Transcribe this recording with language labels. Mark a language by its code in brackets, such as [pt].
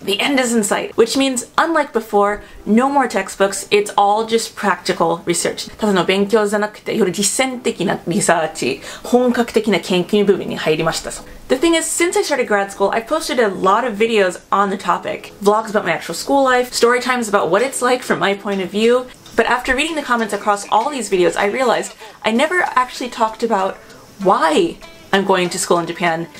[en] The end is in sight, which means unlike before, no more textbooks, it's all just practical research. [ja] ただの勉強じゃなくて、より実践的なリサーチ、本格的な研究部分に入りました。 [en] The thing is, since I started grad school, I posted a lot of videos on the topic. Vlogs about my actual school life, story times about what it's like from my point of view. But after reading the comments across all these videos, I realized I never actually talked about why I'm going to school in Japan.